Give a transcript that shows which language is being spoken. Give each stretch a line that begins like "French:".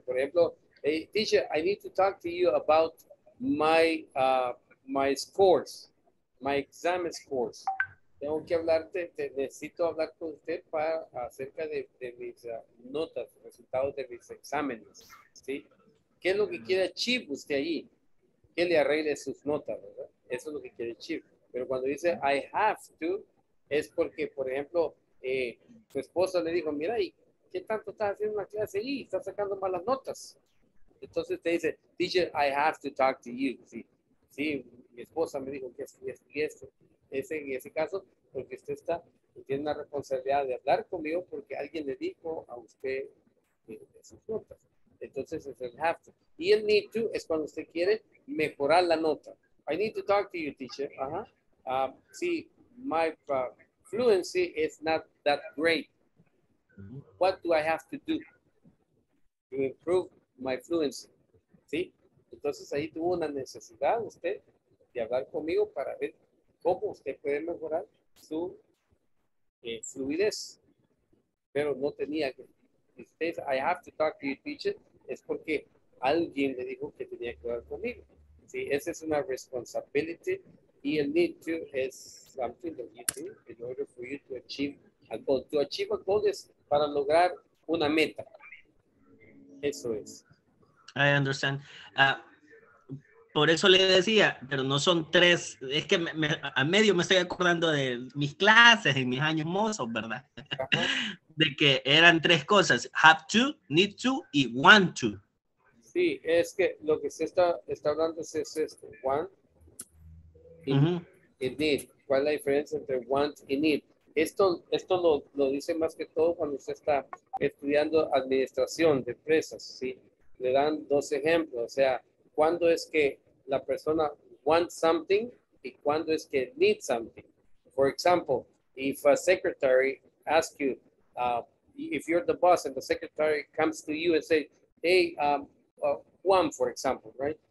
Spanish: Por ejemplo,
English: hey, teacher, I need to talk to you about my my scores, my exam scores.
Spanish: Tengo que hablarte, necesito hablar con usted para acerca de mis notas, resultados de mis exámenes. ¿Sí? ¿Qué es lo que quiere achieve usted allí? Que le arregle sus notas, ¿verdad? Eso es lo que quiere decir. Pero cuando dice
English: I have to,
Spanish: es porque, por ejemplo, su esposa le dijo, mira, ¿y qué tanto estás haciendo en la clase? Y estás sacando malas notas. Entonces te dice, teacher, I have to talk to you. Sí, mi esposa me dijo que esto. Es en ese caso, porque usted está, tiene una responsabilidad de hablar conmigo porque alguien le dijo a usted sus notas. Entonces es el have to. Y el need to es cuando usted quiere mejorar la nota.
English: I need to talk to you, teacher. See, my fluency is not that great. What do I have to do to improve my fluency?
Spanish: ¿Sí? Entonces ahí tuvo una necesidad usted de hablar conmigo para ver cómo usted puede mejorar su fluidez. Pero no tenía que. Usted dice,
English: I have to talk to you, teacher.
Spanish: Es porque alguien le dijo que tenía que hablar conmigo. Sí, esa es una responsibility. Y el
English: need to is something that you do in order for you to achieve a goal. To achieve a goal is
Spanish: para lograr una meta. Eso es.
English: I understand.
Spanish: Por eso le decía, pero no son tres. Es que a medio me estoy acordando de mis clases y mis años mozos, ¿verdad? De que eran tres cosas. Have to, need to y want to. Sí, es que lo que se está hablando es esto, want y need. ¿Cuál es la diferencia entre want y need? Esto lo dice más que todo cuando usted está estudiando administración de empresas, ¿sí? Le dan dos ejemplos, o sea, ¿cuándo es que la persona
English: want something
Spanish: y cuándo es que
English: need something? For example, if a secretary asks you, if you're the boss and the secretary comes to you and says, hey, Juan, for example, right?